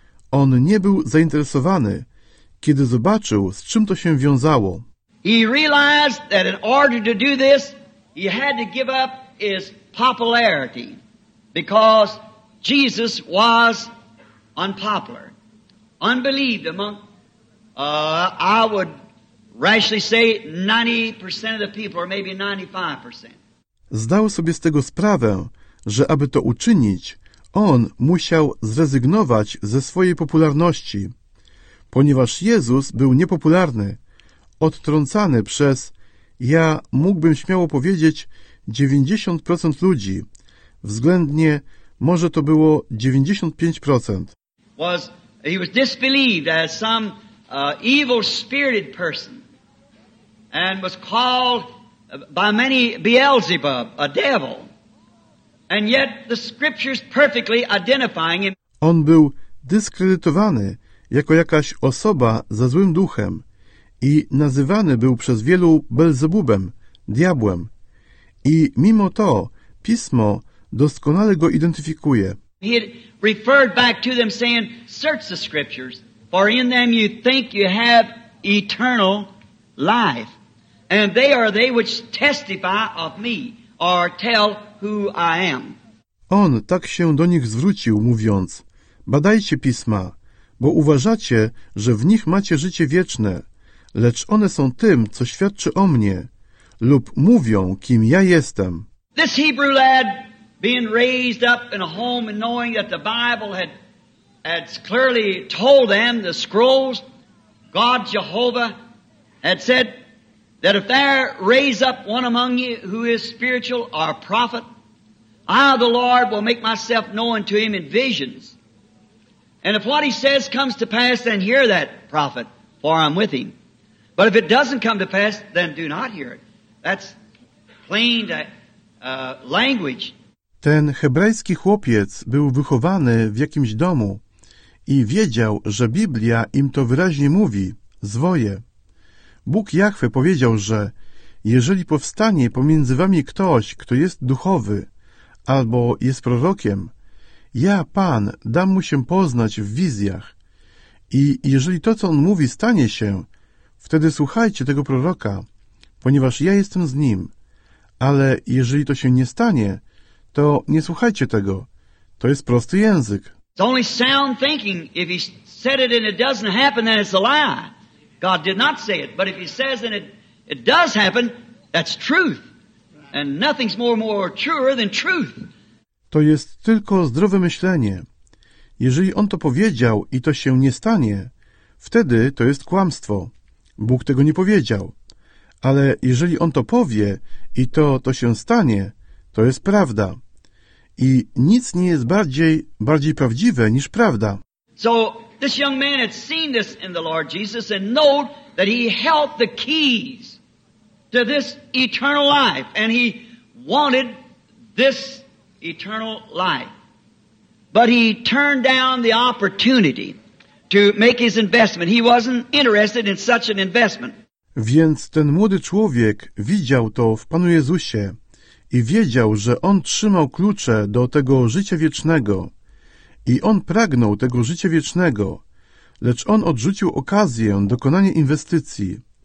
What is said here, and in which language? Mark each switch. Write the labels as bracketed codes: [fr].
[pl] On nie był zainteresowany, kiedy zobaczył, z czym to się wiązało. [en] He realized that in order to do this, he had to give up his popularity because Jesus was unpopular. Unbelieved among, I would rashly say 90% of the people, or maybe 95%. [pl] Zdał sobie z tego sprawę, że aby to uczynić, on musiał zrezygnować ze swojej popularności, ponieważ Jezus był niepopularny, odtrącany przez, ja mógłbym śmiało powiedzieć, 90% ludzi, względnie może to było 95%. [en] He was disbelieved as some evil-spirited person and was called by many Beelzebub, a devil. And yet the scriptures perfectly identifying him. [pl] On był dyskredytowany jako jakaś osoba ze złym duchem i nazywany był przez wielu Belzebubem, diabłem. I mimo to Pismo doskonale go identyfikuje. [en] He had referred back to them saying, search the scriptures, for in them you think you have eternal life. And they are they which testify of me, or tell who I am. [pl] On tak się do nich zwrócił, mówiąc, badajcie pisma, bo uważacie, że w nich macie życie wieczne, lecz one są tym, co świadczy o mnie, lub mówią, kim ja jestem. [en] This Hebrew lad, being raised up in a home and knowing that the Bible had clearly told them, the scrolls, God Jehovah had said that if there raise up one among you who is spiritual or a prophet, I, the Lord, will make myself known to him in visions. And if what he says comes to pass, then hear that prophet, for I'm with him. But if it doesn't come to pass, then do not hear it. That's plain language. [pl] Ten hebrajski chłopiec był wychowany w jakimś domu i wiedział, że Biblia im to wyraźnie mówi, zwoje. Bóg Jahwe powiedział, że jeżeli powstanie pomiędzy wami ktoś, kto jest duchowy albo jest prorokiem, ja, Pan, dam mu się poznać w wizjach. I jeżeli to, co on mówi, stanie się, wtedy słuchajcie tego proroka, ponieważ ja jestem z nim. Ale jeżeli to się nie stanie, to nie słuchajcie tego. To jest prosty język. [en] It's only sound thinking. If he said it and it doesn't happen, then it's a lie. God did not say it. But if he says and it does happen, that's truth. And nothing's more truer than truth. [pl] To jest tylko zdrowe myślenie. Jeżeli on to powiedział i to się nie stanie, wtedy to jest kłamstwo. Bóg tego nie powiedział. Ale jeżeli on to powie i to się stanie, to jest prawda. I nic nie jest bardziej prawdziwe niż prawda. [en] So this young man had seen this in the Lord Jesus and know that he held the keys to this eternal life and he wanted this eternal life. But he turned down the opportunity to make his investment. He wasn't interested in such an investment. [pl] Więc ten młody człowiek widział to w Panu Jezusie i wiedział, że on trzymał klucze do tego życia wiecznego i on pragnął tego życia wiecznego, lecz on odrzucił okazję dokonania inwestycji.